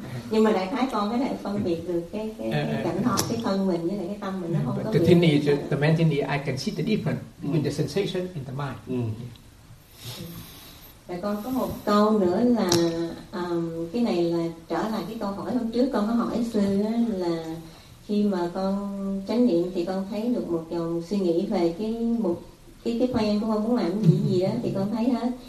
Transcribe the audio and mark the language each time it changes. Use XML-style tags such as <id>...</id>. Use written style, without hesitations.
<vi>Nhưng mà đại khái con có thể phân biệt được cái cảnh thọ, cái thân mình với lại cái tâm mình nó không có biệt.</vi> <en>The mentality, I can see the difference between the sensation and the mind.</en> <vi>Và con có một câu nữa là cái này là trở lại cái câu hỏi hôm trước con có hỏi sư là khi mà con chánh niệm thì con thấy được một dòng suy nghĩ về cái mục cái plan của con muốn làm cái gì đó thì con thấy hết.</vi>